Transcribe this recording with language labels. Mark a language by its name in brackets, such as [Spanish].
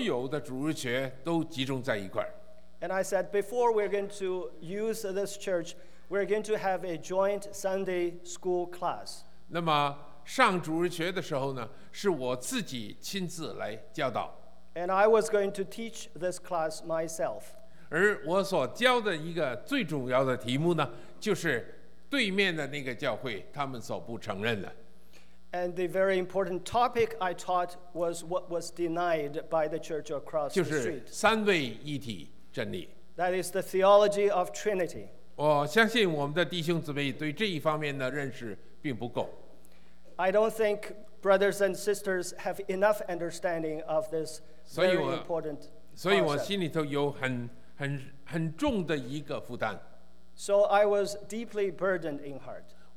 [Chinese] 我说在我们开始使用这个地方的时候，我们把所有的主日学都集中在一块。 [English] And I said, before we're going to use this church, we're going to have a joint Sunday school class. [Chinese] 那么上主日学的时候呢，是我自己亲自来教导。 [English] And I was going to teach this class myself. [Chinese] 而我所教的一个最重要的题目呢，就是对面的那个教会他们所不承认的。 [English] And the very important topic I taught was what was denied by the church across the street. [Chinese] 就是三位一体真理。 [English] That is the theology of Trinity. [Chinese] 我相信我们的弟兄姊妹对这一方面的认识并不够。 [English] I don't think brothers and sisters have enough understanding of this very important concept. [Chinese] 所以我心里头有很重的一个负担。 [English] So I was deeply burdened in heart.